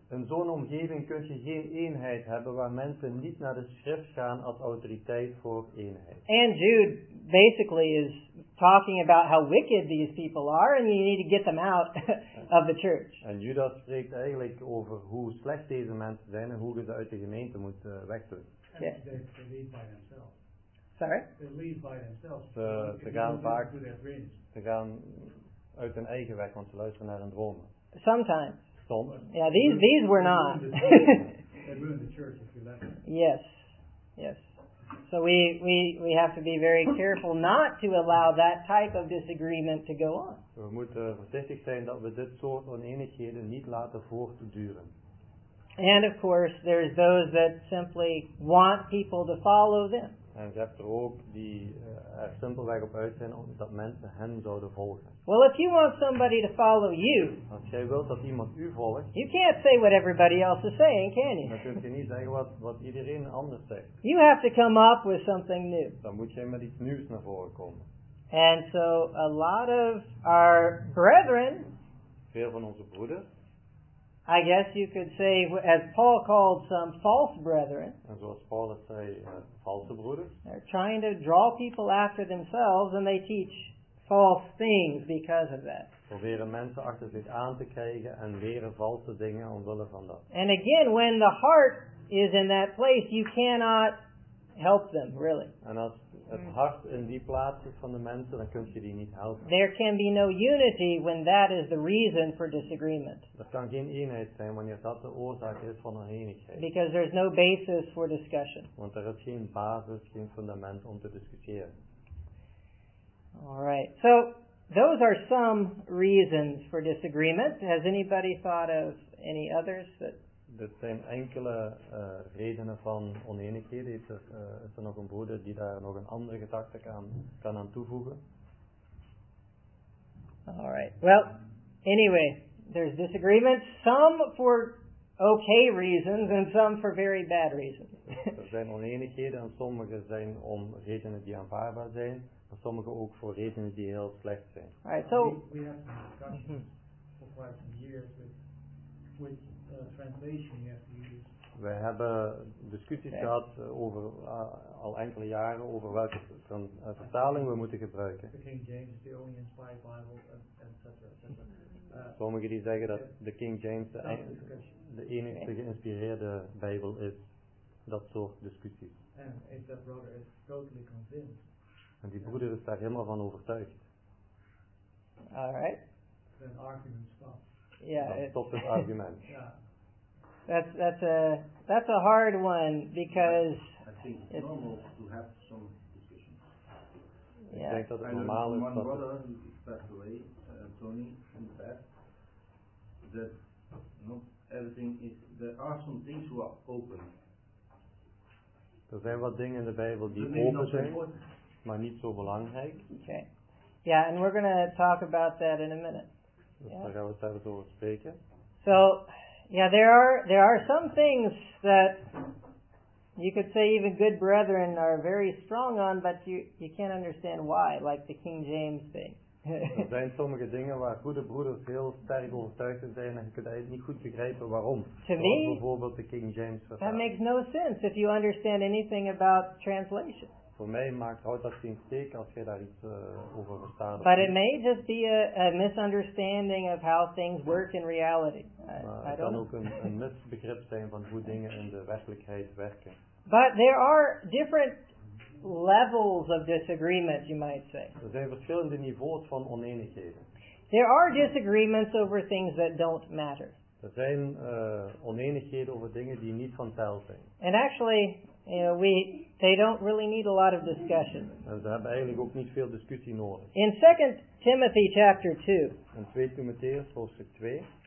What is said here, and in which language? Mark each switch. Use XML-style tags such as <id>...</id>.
<nl>In zo'n omgeving kun je geen eenheid hebben waar mensen niet naar de schrift gaan als autoriteit voor eenheid.</nl> <en>And Jude basically is talking about how wicked these people are and you need to get them out of the church.</en> <nl>En Judas spreekt eigenlijk over hoe slecht deze mensen zijn en hoe je ze uit de gemeente moet wegdoen.</nl> <en>Yeah. They lead by themselves. Sorry? They lead by themselves.</en> <nl>Ze gaan vaak. Ze gaan uit hun eigen weg, want ze luisteren naar hun dromen.</nl> <en>Sometimes.</en> <nl>Soms.</nl> <en>Yeah, these were not. They ruined the church if you left them. Yes. Yes. So we have to be very careful not to allow that type of disagreement to go on.</en> <nl>We moeten voorzichtig zijn dat we dit soort oneenigheden niet laten voortduren.</nl> <en>And of course, there's those that simply want people to follow them.</en> <nl>En je hebt er ook die er simpelweg op uit zijn dat mensen hen zouden volgen.</nl> <en>Well, if you want somebody to follow you,</en> <nl>als jij wilt dat iemand u volgt,</nl> <en>you can't say what everybody else is saying, can you?</en> <nl>Dan kun je niet zeggen wat iedereen anders zegt.</nl> <en>You have to come up with something new.</en> <nl>Dan moet jij met iets nieuws naar voren komen.</nl> <en>And so a lot of our brethren,</en> <nl>veel van onze broeders,</nl> <en>I guess you could say, as Paul called some false brethren,</en> <nl>en zoals Paul het zei, false broeders,</nl> <en>they're trying to draw people after themselves and they teach false things because of that.</en> <nl>Proberen mensen achter zich aan te krijgen en leren valse dingen omwille van dat.</nl> <en>And again, when the heart is in that place, you cannot help them, really.</en> <nl>En als het hart in die plaats is van de mensen, dan kun je die niet helpen.</nl> <en>There can be no unity when that is the reason for disagreement.</en> <nl>Er kan geen eenheid zijn wanneer dat de oorzaak is van oneenigheid.</nl> <en>Because there's no basis for discussion.</en> <nl>Want er is geen basis, geen fundament om te discussiëren.</nl> <en>All right. So, those are some reasons for disagreement. Has anybody thought of any others that...</en> <nl>Dit zijn enkele redenen van oneenigheden. Is er nog een broeder die daar nog een andere gedachte kan aan toevoegen?</nl> <en>All right. Well, anyway, there's disagreements. Some for okay reasons and some for very bad reasons.</en> <nl>Er zijn oneenigheden en sommige zijn om redenen die aanvaardbaar zijn. Maar sommige ook voor redenen die heel slecht zijn.</nl> <en>All right, so... We have some discussions for quite some years with translation you have to use.</en> <nl>We hebben discussies gehad over al enkele jaren over welke vertaling we moeten gebruiken.</nl> <en>The King James is the only inspired Bible, etc.</en> <nl>Sommigen die zeggen dat de King James de enige geïnspireerde Bijbel is. Dat soort discussies.</nl> <en>And if that brother is totally convinced.</en> <nl>En die broeder is daar helemaal van overtuigd.</nl> <en>All right. Then argument stops. Yeah, stop this argument. That's a hard one because I think it's normal to have some discussions. Yeah. I think one problem. Brother passed away, Tony, in the past, that not everything is, there are some things who are open.</en> <nl>Er zijn wat dingen in de Bijbel die open zijn, maar niet zo belangrijk.</nl> <en>Okay. Yeah, and we're going to talk about that in a minute.</en> <nl>Daar gaan we het even over spreken.</nl> <en>So, yeah, there are some things that you could say even good brethren are very strong on, but you can't understand why, like the King James thing.</en> <nl>Er zijn sommige dingen waar goede broeders heel sterk overtuigd zijn en je kunt eigenlijk niet goed begrijpen waarom.</nl> <en>To me,</en> <nl>bijvoorbeeld de King James.</nl> <en>That makes no sense if you understand anything about translation.</en> <nl>voor mij maakt, houdt dat geen steek als jij daar iets over verstaat.</nl> <en>But it may just be a misunderstanding of how things work in reality.</en> <nl>Het kan ook een misbegrip zijn van hoe dingen in de werkelijkheid werken.</nl> <en>But there are different levels of disagreement, you might say.</en> <nl>Er zijn verschillende niveaus van oneenigheden.</nl> <en>There are disagreements over things that don't matter.</en> <nl>Er zijn oneenigheden over dingen die niet van tel zijn.</nl> <en>And actually, you know, they don't really need a lot of discussion.</en> <nl>En ze hebben eigenlijk ook niet veel discussie nodig.</nl> <en>In 2 Timothy chapter 2.</en> <nl>In 2 Timotheus hoofdstuk 2.</nl>